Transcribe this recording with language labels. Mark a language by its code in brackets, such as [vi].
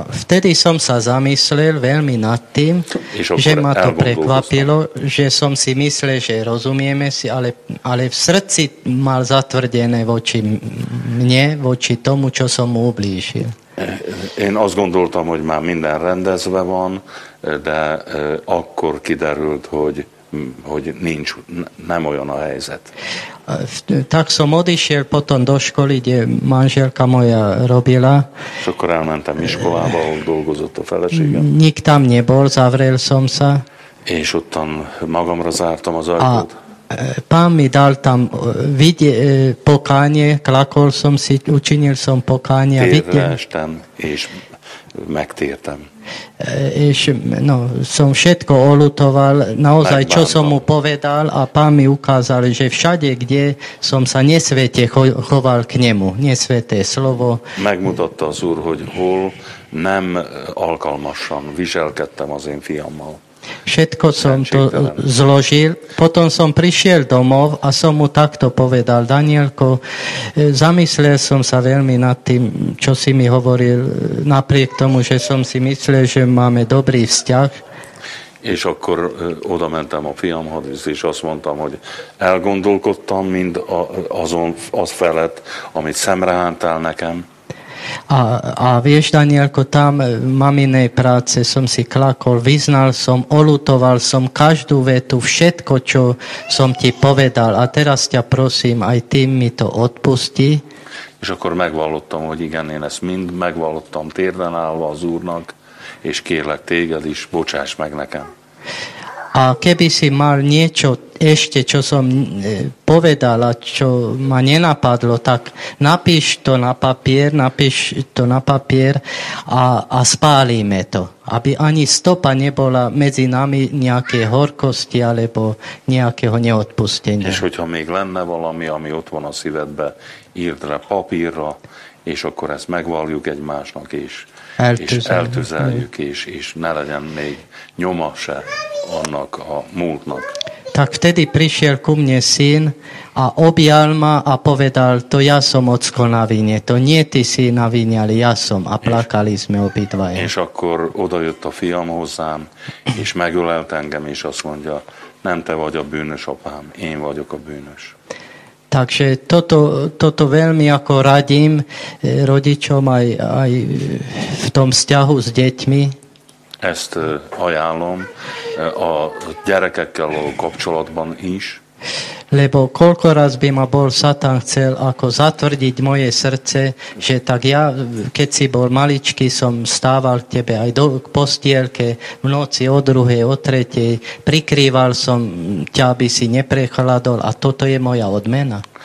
[sk] Vtedy som sa zamyslel veľmi nad tým, že ma to prekvapilo, že som si myslel, že rozumieme si, ale v srdci mal zatvrdené voči mne, voči tomu, čo som mu ublížil. [hu] Én azt gondoltam, hogy már minden rendezve van, de akkor kiderült, hogy nincs, nem olyan a helyzet. [sk] Tak som odišiel potom do školy, kde manželka moja robila. [hu] És akkor elmentem iskolába, ahol dolgozott a feleségem. [sk] Nik tam nebol, zavrel som sa. [hu] És ottan magamra zártam az ajtót. [sk] Pán mi dal tam pokánie, klakol som si, učinil som pokánie. [hu] Térre estem, és megtértem. [sk] És no, som všetko olutoval, naozaj, čo som mu povedal a pán mi ukázal, že všade, kde som sa nesvete choval k nemu, nesveté slovo. [hu] Megmutatta az úr, hogy hol nem alkalmasan viselkedtem az én fiammal. [sk] Všetko som to zložil. Potom som prišiel domov a som mu takto povedal, Danielko, zamyslel som sa veľmi nad tým, čo si mi hovoril, napriek tomu, že som si myslel, že máme dobrý vzťah. [hu] És akkor oda mentem a fiamhoz, és azt mondtam, hogy elgondolkodtam mind azon az felett, amit szemrehántál nekem. [sk] A vieš, Danielko, tam maminej práce som si klakol, vyznal som, olutoval som každú vetu, všetko, čo som ti povedal. A teraz ťa prosím, aj ty mi to odpusti. [hu] És akkor megvallottam, hogy igen, én ezt mind megvallottam térden állva az úrnak, és kérlek téged is, bocsáss meg nekem. [sk] A keby si mal niečo ešte, čo som povedal a čo ma nenapadlo, tak napíš to na papier, a spálime to. Aby ani stopa nebola medzi nami nejaké horkosti alebo nejakého neodpustenia. [hu] És hogyha még lenne valami, ami ott van a szívedbe, írd le papírra, és akkor ezt megvalljuk egymásnak is. Eltűzeljük is, és ne legyen még nyoma se annak a múltnak. [sk] Tak vtedy prišiel ku mne syn a objal ma a povedal, to ja som ocko na vine, to nie ty si na vine, ale ja som. A plakali sme obidva. [hu] És akkor odajött a fiam hozzám, és megölelt engem, és azt mondja, nem te vagy a bűnös apám, én vagyok a bűnös. [sk] Takže toto veľmi ako radím rodičom aj v tom vzťahu s deťmi. [hu] Ezt ajánlom a gyerekekkel kapcsolatban is. [sk] lebo koľko raz by ma bol Satan chcel ako zatvrdiť moje srdce, že tak ja, keď si bol maličký, som stával k tebe aj do postielke v noci o druhej, o tretej, prikrýval som ťa, aby si neprechladol, a toto je moja odmena.